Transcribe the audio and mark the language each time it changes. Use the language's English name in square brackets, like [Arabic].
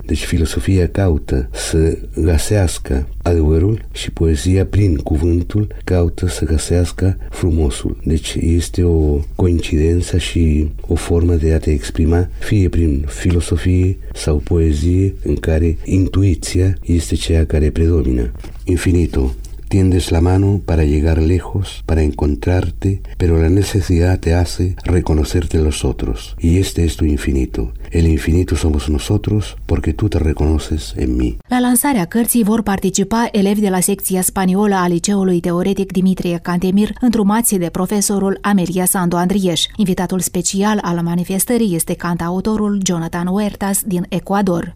[Romanian] Deci filosofia caută să găsească adevărul și poezia prin cuvântul caută să găsească frumosul. Deci este o coincidență și o formă de a te exprima fie prin filosofie sau poezie în care intuiția este ceea care predomină. [Spanish] Infinito. Tiendes la mano para llegar lejos, para encontrarte, pero la necesidad te hace reconocerte los otros. Y este es tu infinito. El infinito somos nosotros porque tú te reconoces en mí. [Romanian] La lansarea cărții vor participa elevi de la secția spaniolă a Liceului Teoretic Dimitrie Cantemir, îndrumați de profesorul Amelia Sandu Andrieș. Invitatul special al manifestării este cantautorul Jonathan Huertas din Ecuador.